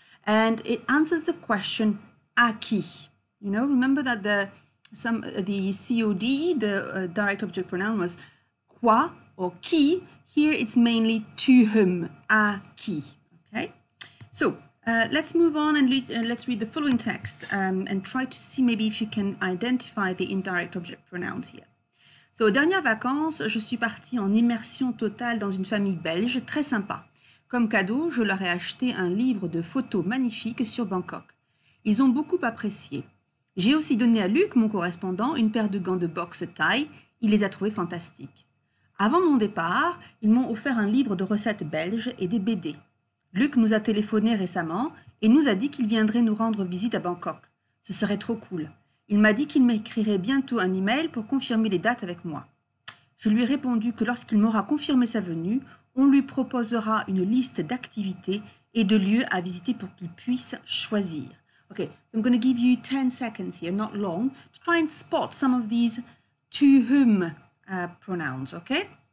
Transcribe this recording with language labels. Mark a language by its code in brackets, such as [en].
[en] And it answers the question, [fr] à qui? [en] You know, remember that the COD, direct object pronoun, was quoi or qui. Here it's mainly to whom, [fr] à qui, [en] okay? So, let's move on and let's read the following text and try to see maybe if you can identify the indirect object pronouns here. [fr] So, aux dernières vacances, je suis partie en immersion totale dans une famille belge, très sympa. Comme cadeau, je leur ai acheté un livre de photos magnifiques sur Bangkok. Ils ont beaucoup apprécié. J'ai aussi donné à Luc, mon correspondant, une paire de gants de boxe thaï. Il les a trouvés fantastiques. Avant mon départ, ils m'ont offert un livre de recettes belges et des BD. Luc nous a téléphoné récemment et nous a dit qu'il viendrait nous rendre visite à Bangkok. Ce serait trop cool. Il m'a dit qu'il m'écrirait bientôt un email pour confirmer les dates avec moi. Je lui ai répondu que lorsqu'il m'aura confirmé sa venue, on lui proposera une liste d'activités et de lieux à visiter pour qu'il puisse choisir. [en] Okay, so I'm going to give you 10 seconds here, not long, to try and spot some of these to whom pronouns, okay?